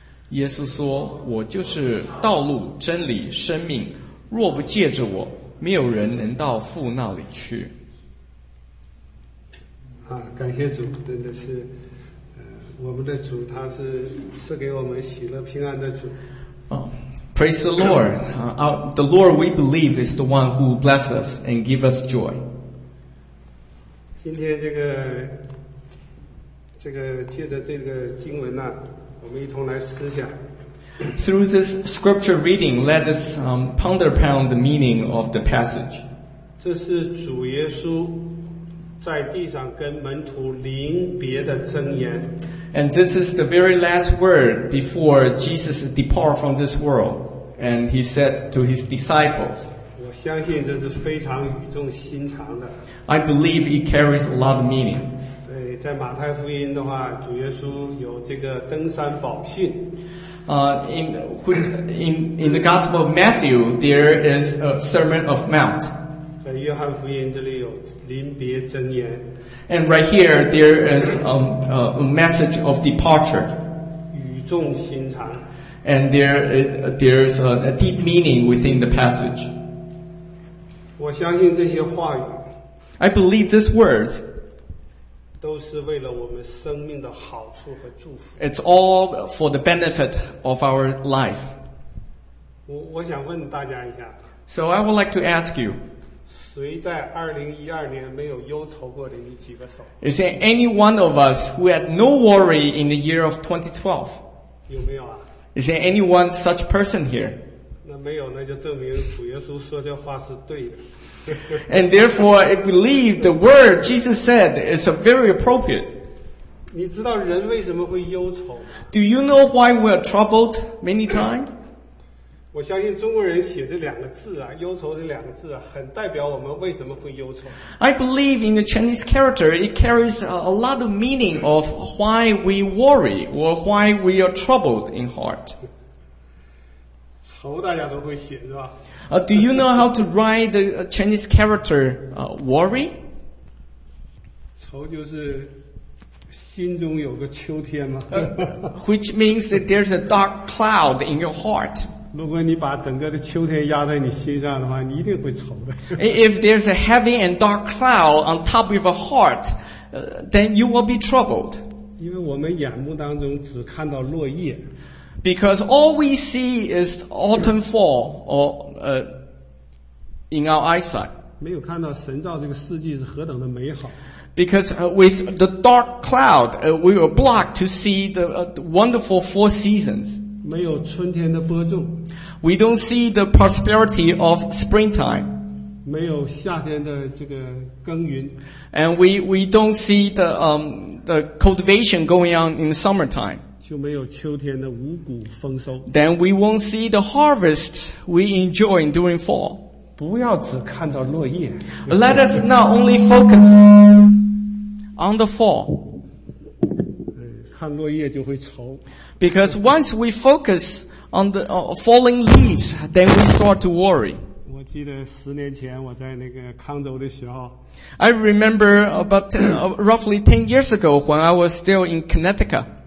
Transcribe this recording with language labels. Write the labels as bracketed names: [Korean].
[Chinese] 耶稣说，我就是道路、真理、生命，若不借着我，没有人能到父那里去。感谢主，真的是我们的主，他是赐给我们喜乐平安的主。 [English] Praise the Lord. The Lord we believe is the one who blesses us and gives us joy. [Chinese] 今天借着这个经文我们一同来思想。 [English] Through this scripture reading, let us ponder upon the meaning of the passage. [Chinese] 这是主耶稣在地上跟门徒临别的箴言。 [English] And this is the very last word before Jesus departs from this world. And he said to his disciples, [Chinese] 我相信这是非常语重心长的。 [English] I believe it carries a lot of meaning. [Chinese] 对，在马太福音的话，主耶稣有这个登山宝训。 [English] In the Gospel of Matthew, there is a Sermon of Mount. [Chinese] 在约翰福音这里有临别箴言。 [English] And right here, there is a message of departure. [Chinese] 语重心长。 [English] And there's a deep meaning within the passage. [Chinese] 我相信这些话语 [English] I believe these words. [Chinese] 都是为了我们生命的好处和祝福 [English] It's all for the benefit of our life. [Chinese] 我想问大家一下 [English] So I would like to ask you. [Chinese] 谁在2012年没有忧愁过的你举个手 [English] Is there any one of us who had no worry in the year of 2012? [Chinese] 有没有啊 [English] Is there anyone such person here? [Chinese] 那没有，那就证明主耶稣说这话是对的。 [English] And therefore, I believe the word Jesus said is very appropriate. [Chinese] 你知道人为什么会忧愁？ [English] Do you know why we are troubled many times? [Chinese] 我相信中国人写这两个字啊，忧愁这两个字啊，很代表我们为什么会忧愁。 [English] I believe in the Chinese character, it carries a lot of meaning of why we worry or why we are troubled in heart. [Chinese] 愁大家都会写是吧？ [English] Do you know how to write the Chinese character worry? [Chinese] 愁就是心中有个秋天嘛。 [English] Which means that there's a dark cloud in your heart. [Chinese] 如果你把整个的秋天压在你心上的话，你一定会愁的。 [English] If there's a heavy and dark cloud on top of a heart, then you will be troubled. [Chinese] 因为我们眼目当中只看到落叶。 [English] Because all we see is autumn fall or in our eyesight. [Chinese] 没有看到神造这个世纪是何等的美好。 [English] Because with the dark cloud, we were blocked to see the wonderful four seasons. [Chinese] 没有春天的播种。 [English] We don't see the prosperity of springtime. [Chinese] 没有夏天的这个耕耘。 [English] And we don't see the cultivation going on in summertime. [Chinese] 就没有秋天的五谷丰收。 [English] Then we won't see the harvest we enjoy during fall. [Chinese] 不要只看到落叶。 [English] Let us not only focus on the fall. [Chinese] 看落叶就会愁。 [English] Because once we focus on the falling leaves, then we start to worry. [Chinese] 我记得十年前我在那个康州的时候。 [English] I remember about roughly 10 years ago when I was still in Connecticut.